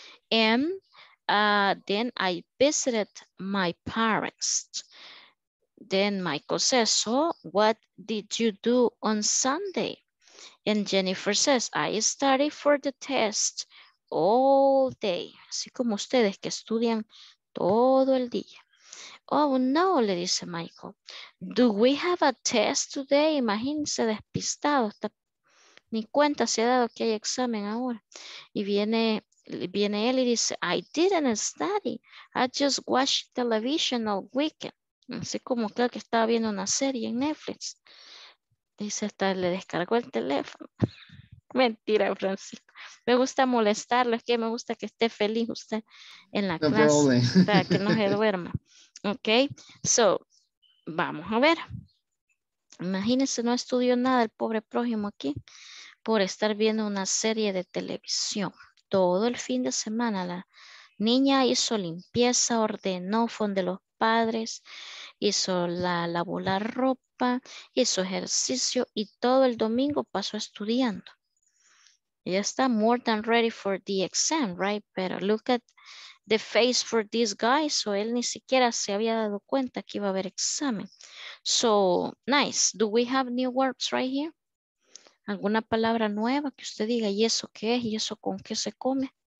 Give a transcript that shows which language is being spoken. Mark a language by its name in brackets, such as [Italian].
[English] And then I visited my parents. Then Michael says, so what did you do on Sunday? And Jennifer says, I studied for the test all day. [Spanish] Así como ustedes que estudian todo el día. [English] Oh no, le dice Michael. Do we have a test today? [Spanish] Imagínense despistado. Está, ni cuenta se ha dado que hay examen ahora. Y viene... [English] Viene él y dice, I didn't study. I just watched television all weekend. [Spanish] Así como creo que estaba viendo una serie en Netflix. Dice, hasta le descargó el teléfono. Mentira, Francisco. Me gusta molestarlo. Es que me gusta que esté feliz usted en la clase. Para que no se duerma. Ok. So, vamos a ver. Imagínense, no estudió nada el pobre prójimo aquí. Por estar viendo una serie de televisión. Todo el fin de semana la niña hizo limpieza, ordenó fondo de los padres, hizo la lavó la ropa, hizo ejercicio y todo el domingo pasó estudiando. [English] Ya está more than ready for the exam, right? Pero look at the face for this guy. [Spanish] So él ni siquiera se había dado cuenta que iba a haber examen. [English] So nice. Do we have new words right here? ¿Alguna palabra nueva que usted diga? [Spanish] ¿Y eso qué es? ¿Y eso con qué se come?